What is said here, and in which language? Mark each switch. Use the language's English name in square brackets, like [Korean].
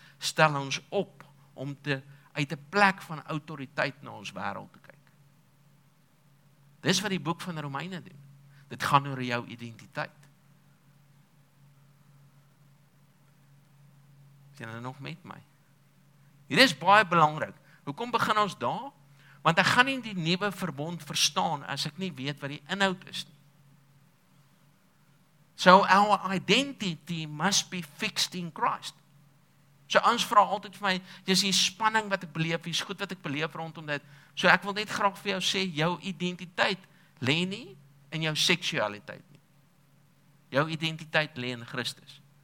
[Afrikaans] stel ons op om te, uit die plek van autoriteit na ons wereld te kyk. Dis wat die boek van die Romeine doen. Dit gaan oor jou identiteit. Sien hulle nog met my? Hier is baie belangrik. Hoekom begin ons daar? Want ek gaan nie die nuwe verbond verstaan as ek nie weet wat die inhoud is nie. [English] So our identity must be fixed in Christ. [Afrikaans] So ons vra altyd vir my, dis die spanning wat ek beleef, dis goed wat ek beleef rondom dit. So ek wil net graag vir jou sê, jou identiteit lê nie in jou seksualiteit nie. Jou identiteit lê in Christus.